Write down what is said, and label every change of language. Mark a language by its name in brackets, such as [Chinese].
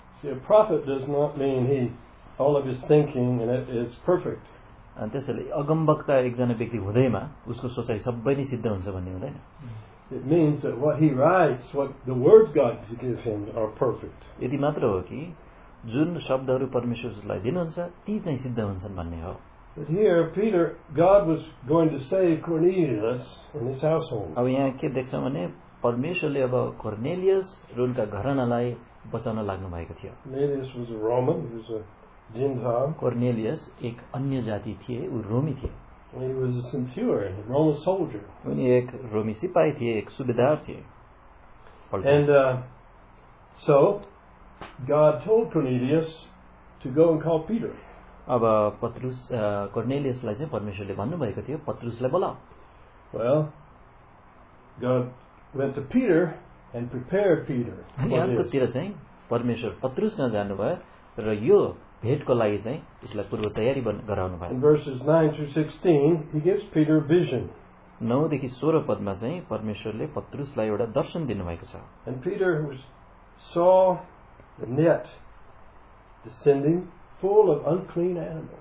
[English] See, a prophet does not mean he all of his thinking and it is perfect. [Nepali] अनि त्यसैले अगमवक्ता एकजना व्यक्ति हुँदैमा उसको सोचाइ सबै नै सिद्ध हुन्छ भन्ने हुँदैन. [English] It means that what he writes, what the words God gives him are perfect. [Nepali] यदि मात्र हो कि जुन शब्दहरू परमेश्वरलाई दिनुहुन्छ ती चाहिँ सिद्ध हुन्छन् भन्ने हो. [English] But here Peter, God was going to save Cornelius and his household. [Nepali] अब यहाँ के देख्छौँ भने परमेश्वरले अब कर्नेलियस र उनका घरानालाई बचाउन लाग्नु भएको थियो. [English] Cornelius was a Roman, he was a Gentile. [Nepali] Cornelius एक अन्य जाति थिए, ऊ रोमी थिए. [English] He was a centurion, a Roman soldier. [Nepali] उनी एक रोमी सिपाही थिए, एक सुबेदार थिए. [English] And so God told Cornelius to go and call Peter. [Nepali] अब पत्रुस कर्नेलियसलाई चाहिँ परमेश्वरले भन्नु भएको थियो पत्रुसलाई बोलाऊ. [English] Well, God went to Peter and prepared Peter. [Nepali] अर्कोतिर चाहिँ परमेश्वर पत्रुसमा जानुभयो र यो भेटको लागि चाहिँ यसलाई पूर्व तयारी गराउनु भयो. [English] Verses 9 through 16, he gives Peter a vision. [Nepali] 9-16 पदमा चाहिँ परमेश्वरले पत्रुसलाई एउटा दर्शन दिनुभएको छ. [English] And Peter saw the net descending full of unclean animals.